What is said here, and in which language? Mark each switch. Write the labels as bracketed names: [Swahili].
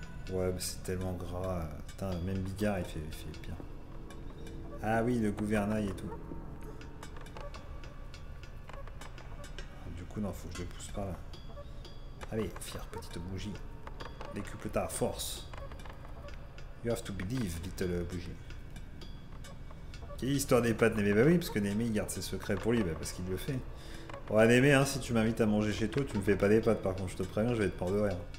[French] Ouais, mais c'est tellement gras. Putain, même Bigard, il fait pire. Ah oui, le gouvernail et tout. Du coup, non, faut que je le pousse par là. Allez, fière petite bougie. Décuple ta force. [English] You have to believe, little bougie. [French] Quelle histoire des pattes, Némé? Bah oui, parce que Némé, il garde ses secrets pour lui, bah parce qu'il le fait. Bon, ouais, Némé, hein, si tu m'invites à manger chez toi, tu me fais pas des pattes. Par contre, je te préviens, je vais être mort de rire.